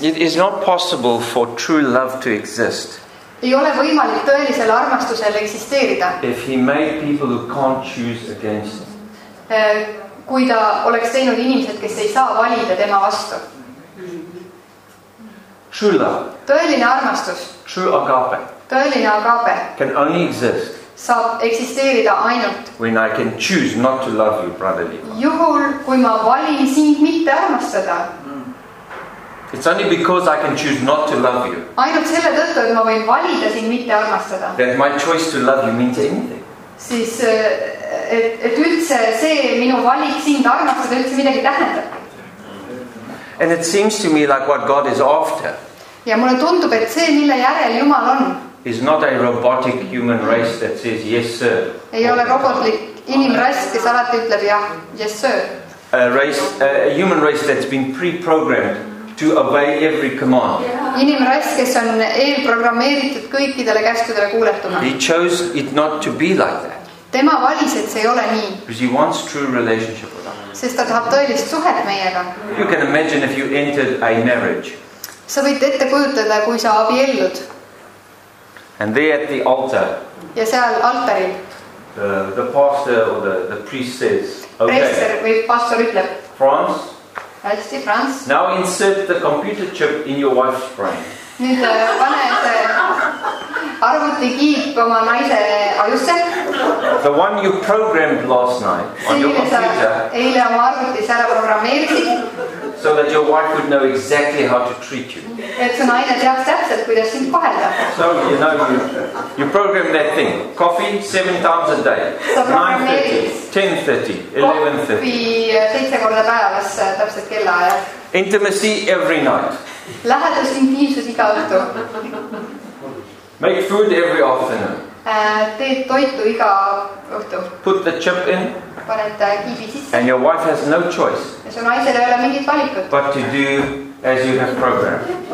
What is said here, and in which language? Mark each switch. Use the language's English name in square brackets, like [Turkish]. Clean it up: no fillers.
[English] It is not possible for true love to exist. [Estonian] Ei ole võimalik tõelisel armastusel eksisteerida. [English] If he made people who can't choose against. [Estonian] Kui ta oleks teinud inimesed, kes ei saa valida tema vastu. [English] True love. [Estonian] Tõeline armastus. [English] True agape. [Estonian] Tõeline agape. [English] Can only exist. [Estonian] Saab eksisteerida ainult. [English] When I can choose not to love you, brother. [Estonian] Juhul, kui ma valin sind mitte armastada. [English] It's only because I can choose not to love you. [Estonian] Ainult selle tõttu, et ma võin valida sind mitte armastada. [English] That my choice to love you means anything. [Estonian] Siis, et üldse see minu valik sind armastada üldse midagi tähendab. [English] And it seems to me like what God is after. [Estonian] Ja mulle tundub, et see, mille järel Jumal on. [English] Is not a robotic human race that says yes sir. [Estonian] Ei ole robotlik inimrass, kes alati ütleb jah, [English] yes sir. A human race that's been pre-programmed to obey every command. [Estonian] Inimrass, kes on eelprogrammeeritud kõikidele käskudele kuuletuma. [English] He chose it not to be like that. [Estonian] Tema valis, et see ei ole nii. [English] Because he wants true relationship with us. [Estonian] Sest ta tahab tõelist suhet meiega. [English] You can imagine if you entered a marriage. [Estonian] Sa võid ette kujutada, kui sa abiellud. [English] And there at the altar. [Estonian] Ja seal altaril. [English] The pastor or the priest says, okay. [Estonian] Preester või pastor ütleb. [English] France. [Estonian] Hästi, France. [English] Now insert the computer chip in your wife's brain. [Estonian] Nüüd pane see arvuti kiip oma naise ajusse. [English] The one you programmed last night on your computer. [Estonian] Eile oma arvuti ära programmeerisid. [English] So that your wife would know exactly how to treat you. It's an idea that's accepted, but it's impossible. So you know you program that thing. Coffee 7 times a day. 9:30, 10:30, 11:30. [Estonian] Coffee 7 korda päevas, täpselt kella ajal. [English] Intimacy every night. [Estonian] Lähedus intiimsus iga õhtu. [English] Make food every afternoon. [Estonian] Teed toitu iga õhtu. [English] Put the chip in. And your wife has no choice. But to do as you have programmed.